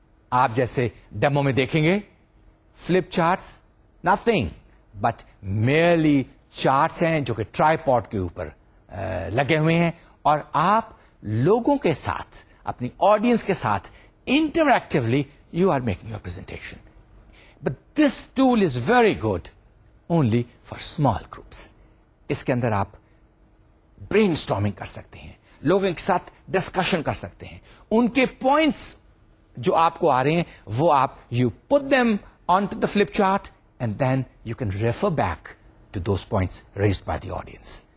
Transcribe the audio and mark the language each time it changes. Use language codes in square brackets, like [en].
[ur] آپ جیسے ڈیمو میں دیکھیں گے flip charts nothing but merely charts ہیں جو کہ ٹرائی پوڈ کے اوپر لگے ہوئے ہیں, اور آپ لوگوں کے ساتھ اپنی آڈینس کے ساتھ [en] Interactively you are making your presentation. But this tool is very good only for small groups. [ur] اس کے اندر آپ برین اسٹارمنگ کر سکتے ہیں, لوگوں کے ساتھ ڈسکشن کر سکتے ہیں, ان کے پوائنٹس جو آپ کو آ رہے ہیں وہ آپ [en] You put them on to the flip chart and then you can refer back to those points raised by the audience.